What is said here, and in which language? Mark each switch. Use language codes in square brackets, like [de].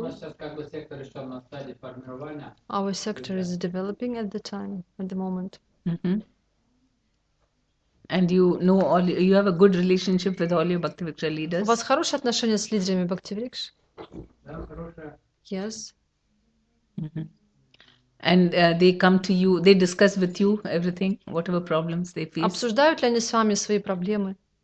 [ru] У нас сейчас как бы сектор еще на стадии формирования. [en] Our sector is developing at the time, at the moment. Mm-hmm. And you know all, you have a good relationship with all your Bhaktivriksha leaders? [ru] У вас хорошие отношения с лидерами Бхактивикш? Да, хорошие. [en] Yes. And they come to you, they discuss with you everything, whatever problems they face. [ru] Обсуждают ли они с вами свои проблемы?